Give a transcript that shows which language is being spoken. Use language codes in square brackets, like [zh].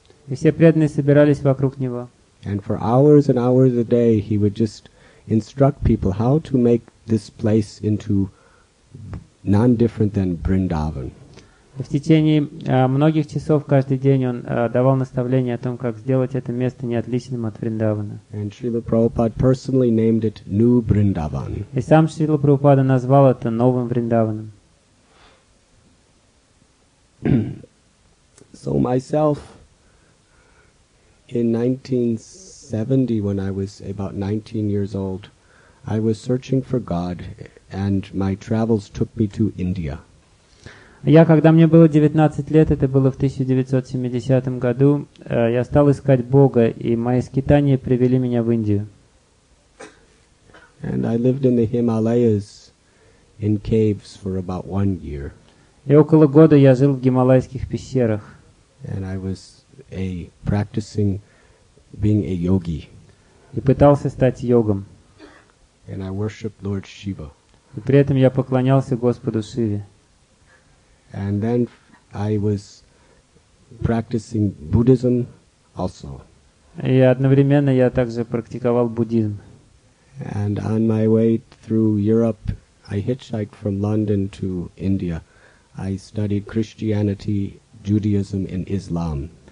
[ru] И все преданные собирались вокруг него. [en] And for hours and hours a day he would just instruct people how to make this place into non-different than Vrindavan. [ru] В течение многих часов каждый день он давал наставления о том, как сделать это место неотличным от Вриндавана. [en] And Srila Prabhupada personally named it New Vrindavan. [ru] И сам Srila Prabhupada назвал это новым Вриндаваном. [en] So myself, in 1970, when I was about 19 years old, I was searching for God, and my travels took me to India. [ru] Я, когда мне было 19 лет, это было в 1970 году, я стал искать Бога, и мои скитания привели меня в Индию. [en] And I lived in the Himalayas, in caves, for about 1 year. [ru] И около года я жил в гималайских пещерах. [en] And I was a practicing being a yogi. [ru] И пытался стать йогом. [en] And I worshiped Lord Shiva. [ru] И при этом я поклонялся Господу Шиве. [en] And then I was practicing Buddhism also. [ru] И одновременно я также практиковал буддизм. [en] And on my way through Europe, I hitchhiked from London to India. I studied Christianity, Judaism, and Islam.